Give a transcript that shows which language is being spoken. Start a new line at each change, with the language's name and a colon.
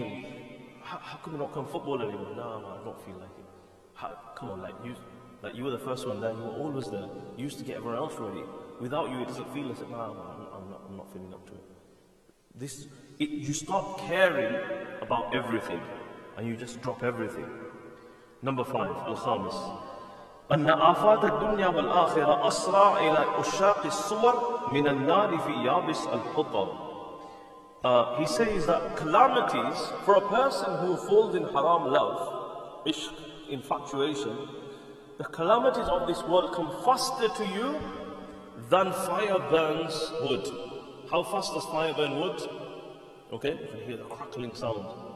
English: And how come we not come football anymore? No, man, I don't feel like it. Come on, you were the first one there. You were always there. You used to get everyone else ready. Without you, it doesn't feel as if, I'm not feeling up to it. You start caring about everything, and you just drop everything. Number five, Al-Khamis.
Arabic: أن آفات الدنيا والآخرة أسرع إلى أشاق الصور من النار في يابس الحطب.
English: He says that calamities for a person who falls in haram love, ishq, infatuation, the calamities of this world come faster to you than fire burns wood. How fast does fire burn wood? Okay, if you hear the crackling sound.